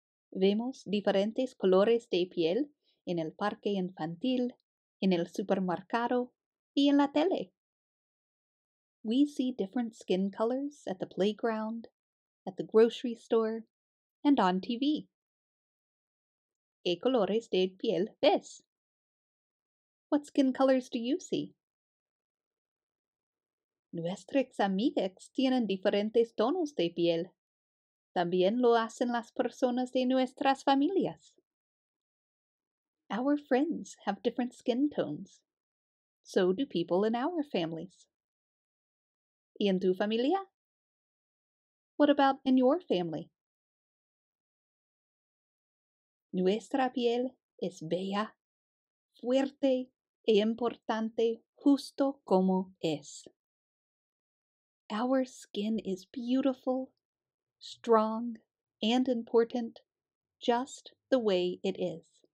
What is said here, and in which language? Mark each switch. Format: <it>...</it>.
<es>Vemos diferentes colores de piel en el parque infantil, en el supermercado, y en la tele.</es> <en>We see different skin colors at the playground, at the grocery store, and on TV.</en> <es>¿Qué colores de piel ves?</es> <en>What skin colors do you see?</en> <es>Nuestras amigas tienen diferentes tonos de piel. También lo hacen las personas de nuestras familias.</es> <en>Our friends have different skin tones. So do people in our families.</en> <es>¿Y en tu familia?</es> <en>What about in your family?</en> <es>Nuestra piel es bella, fuerte, e importante justo como es.</es> <en>Our skin is beautiful, strong, and important just the way it is.</en>